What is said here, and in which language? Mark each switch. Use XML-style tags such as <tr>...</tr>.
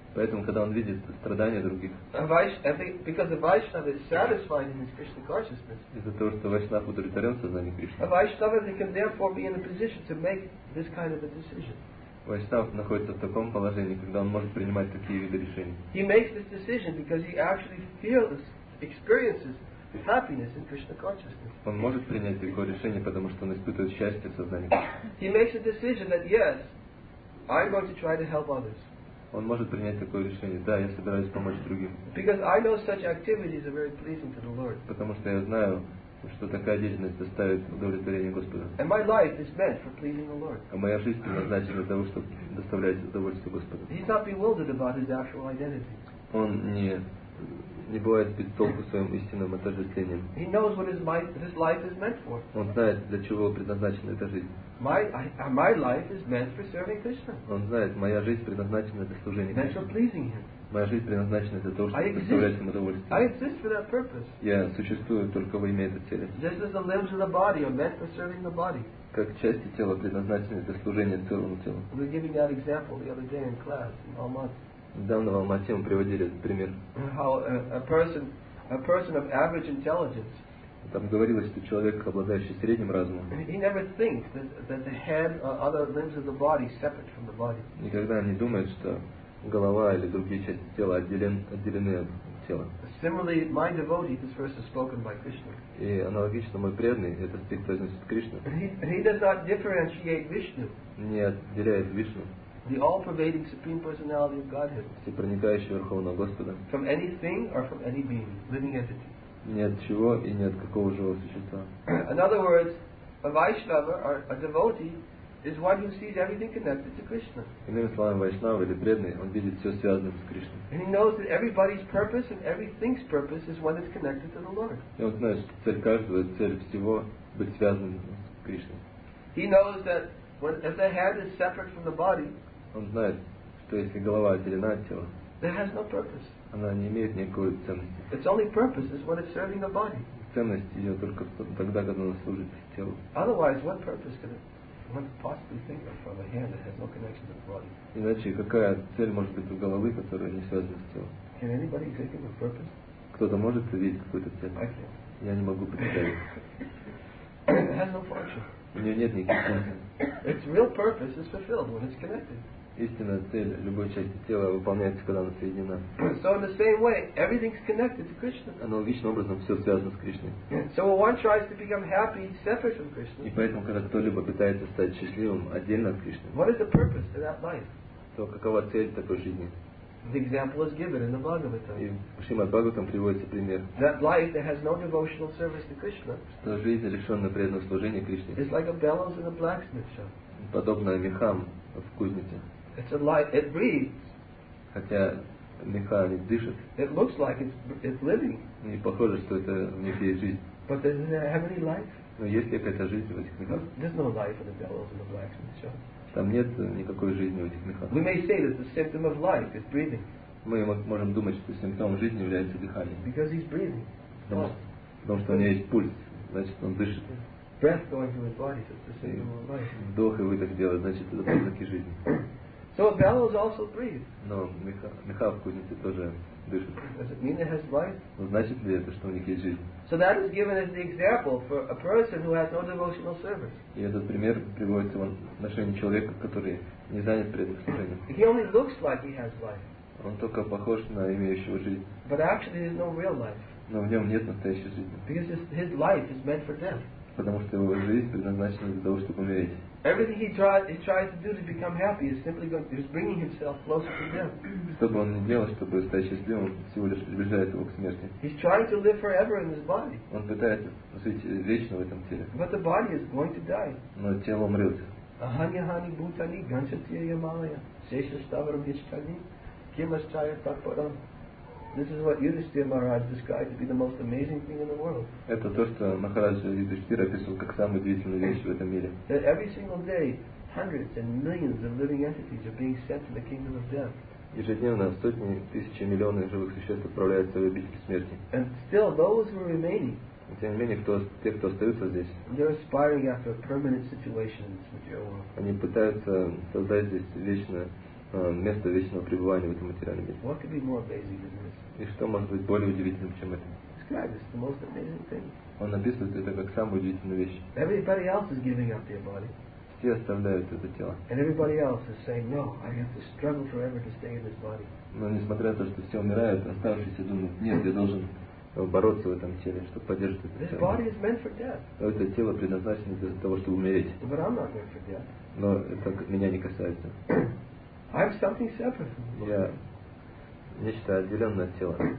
<ru>поэтому, когда он видит страдания других, из-за того, что Вайшнав удовлетворен сознанием Кришны, Вайшнав находится в таком положении, когда он может принимать такие виды решений.</ru> <en>He makes this decision because he actually feels experiences happiness in Krishna consciousness.</en> <ru>Он может принять такое решение, потому что он испытывает счастье в сознании.</ru> <en>He makes a decision that yes, I'm going to try to help others.</en> <ru>Он может принять такое решение, да, я собираюсь помочь другим.</ru> <en>Because I know such activities are very pleasing to the Lord.</en> <ru>Потому что я знаю, что такая деятельность доставит удовлетворение Господу.</ru> <en>And my life is meant for pleasing the Lord.</en> <ru>А моя жизнь предназначена для того, чтобы доставлять удовольствие Господу.</ru> <en>He's not bewildered about his actual identity.</en> <ru>Он не бывает без толку своим истинным отождествлением.</ru> <en>He knows what his life is meant for.</en> <ru>Он знает, для чего предназначена эта жизнь.</ru> <en>My life is meant for serving Krishna.</en> <ru>Он знает, моя жизнь предназначена для служения Кришне.</ru> <en>Meant for pleasing him.</en> <ru>Моя жизнь предназначена для того, чтобы доставлять ему удовольствие.</ru> <en>I exist for that purpose.</en> <ru>Я существую только во имя этой цели.</ru> <en>Just as the limbs of the body are meant for serving the body.</en> <ru>Как части тела предназначены для служения целому телу.</ru> <en>We were giving that example the other day in class in Almaty.</en> <ru>Недавно в Алмате мы приводили этот пример.</ru> <en>How a person of average intelligence.</en> <ru>Там говорилось, что человек, обладающий средним разумом.</ru> <en>He never thinks that the head or other limbs of the body separate from the body.</en> <ru>Никогда не думает, что голова или другие части тела отделены от тела.</ru> <en>Similarly, my devotee, this verse is spoken by Krishna.</en> <ru>И аналогично мой преданный, этот стих произносит Кришна.</ru> <en>He does not differentiate Vishnu.</en> <ru>Не отделяет Вишну.</ru> <en>The all-pervading supreme personality of Godhead.</en> <ru>Все проникающие верховного Господа.</ru> <en>From anything or from any being, living entity.</en> <ru>Ни от чего и ни от какого живого существа.</ru> <en>In other words, a Vaishnava or a devotee is one who sees everything connected to Krishna.</en> <ru>Иными словами, Вайшнава или преданный, он видит все связанным с Кришной.</ru> <en>And he knows that everybody's purpose and everything's purpose is one that's connected to the Lord.</en> <ru>И он знает, что цель каждого, цель всего быть связанным с Кришной.</ru> <en>He knows that when if the head is separate from the body.</en> <ru>Он знает, что если голова отделена от тела, она не имеет никакой ценности.</ru> <en>Its only purpose is when it's serving the body.</en> <ru>Ценность ее только тогда, когда она служит телу.</ru> <en>Otherwise, what purpose could one possibly think of from a hand that has no connection to the body?</en> <ru>Иначе какая цель может быть у головы, которая не связана с телом?</ru> <en>Can anybody think of a purpose?</en> <ru>Кто-то может видеть какую-то цель?</ru> <en>I can't.</en> <ru>Я не могу представить.</ru> <en>It has no function.</en> <ru>У нее нет никаких ценностей.</ru> <en>Its real purpose is fulfilled when it's connected.</en> <ru>Истинная цель любой части тела выполняется, когда она соединена.</ru> <en>So in the same way, everything's connected to Krishna.</en> <ru>Аналогичным образом все связано с Кришной.</ru> <en>So when one tries to become happy separate from Krishna.</en> <ru>И поэтому, когда кто-либо пытается стать счастливым отдельно от Кришны.</ru> <en>What is the purpose of that life?</en> <ru>То какова цель такой жизни?</ru> <en>The example is given in the Bhagavata.</en> <ru>И в Шримад-Бхагаватам приводится пример.</ru> <en>That life that has no devotional service to Krishna.</en> <ru>Что жизнь, лишенная преданного служения Кришне.</ru> <en>It's like a bellows in a blacksmith shop.</en> <ru>Подобно мехам в кузнице.</ru> <en>It's a light. It breathes.</en> <ru>Хотя меха не дышит.</ru> <en>It looks like it's living.</en> <ru>И похоже, что это в них есть жизнь.</ru> <en>But does it have any life?</en> <ru>Но есть ли какая-то жизнь в этих мехах?</ru> <en>There's no life in the bellows in the blacksmith shop.</en> <ru>Там нет никакой жизни в этих мехах.</ru> <en>We may say that the symptom of life is breathing.</en> <ru>Мы можем думать, что симптом жизни является дыхание.</ru> <en>Because he's breathing.</en> <ru>Потому что у него есть пульс, значит, он дышит.</ru> <en>Breath going through his body is the symptom of life.</en> <ru>Вдох и выдох делает, значит, это признаки жизни.</ru> <en>So a bellows also breathes.</en> <ru>Но меха в кузнице тоже дышит.</ru> <en>Does it mean it has life?</en> <ru>Значит ли это, что у них есть жизнь?</ru> <en>So that is given as the example for a person who has no devotional service.</en> <ru>И этот пример приводится в отношении человека, который не занят преданным служением.</ru> <en>He only looks like he has life.</en> <ru>Он только похож на имеющего жизнь.</ru> <en>But actually there is no real life.</en> <ru>Но в нем нет настоящей жизни.</ru> <en>Because his life is meant for death.</en> <ru>Потому что его жизнь предназначена для того, чтобы умереть.</ru> <en>Everything he tried to do to become happy is simply going, he's bringing himself closer to death.</en> <ru>Что бы он ни делал, чтобы стать счастливым, он всего лишь приближает его к смерти.</ru> <en>He's trying to live forever in his body.</en> <ru>Он пытается жить вечно в этом теле.</ru> <en>But the body is going to die.</en> <ru>Но тело умрет.</ru> <sa>Аханьяхани бутани ганчатия ямалая сеша ставарам ячкани кимасчая такпарам.</sa> <en>This is what Yudhishthira Maharaj described to be the most amazing thing in the world.</en> <ru>Это то, что Махарадж Юдхиштхира описывал как самую удивительную вещь в этом мире.</ru> <en>That every single day, hundreds and millions of living entities are being sent to the kingdom of death.</en> <ru>Ежедневно сотни тысячи миллионы живых существ отправляются в обитель смерти.</ru> <en>And still, those who are remaining.</en> <ru>И тем не менее, те, кто остаются здесь.</ru> <en>They're aspiring after a permanent situation in this material world.</en> <ru>Они пытаются создать здесь вечное. Место вечного пребывания в этом материальном мире.</ru> <en>What could be more amazing than this?</en> <ru>И что может быть более удивительным, чем это?</ru> <en>Describes the most amazing thing.</en> <ru>Он описывает это как самую удивительную вещь.</ru> <en>Everybody else is giving up their body.</en> <ru>Все оставляют это тело.</ru> <en>And everybody else is saying, no, I have to struggle forever to stay in this body.</en> <ru>Но несмотря на то, что все умирают, оставшиеся думают, нет, я должен бороться в этом теле, чтобы поддерживать это</ru> <en>this</en> <ru>тело.</ru> <en>Body is meant for death.</en> <ru>Но это тело предназначено для того, чтобы умереть.</ru> <en>But I'm not meant for death.</en> <ru>Но это меня не касается.</ru> <en>I have something separate from the body.</en> <ru>Я нечто отделенное от тела.</ru>